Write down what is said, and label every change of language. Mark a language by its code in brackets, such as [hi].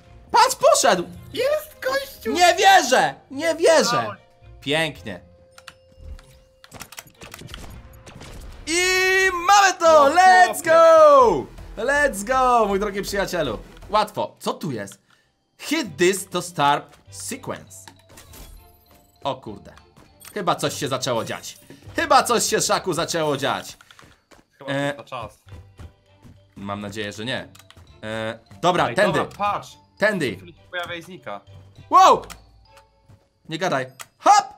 [pl] Patrz, poszedł! Jest, gościu! Nie wierzę, nie wierzę. Pięknie. I mamy to! [en] Let's go! Let's go, [pl] mój drogi przyjacielu. Łatwo, co tu jest? [en] Hit this to start sequence. [pl] O kurde. Chyba coś się zaczęło dziać. Chyba coś się, Szaku, zaczęło dziać. Chyba to czas. Mam nadzieję, że nie. Dobra, ej, tędy. Dobra, patrz. Tędy. Pojawia i znika. Wow! Nie gadaj. Hop!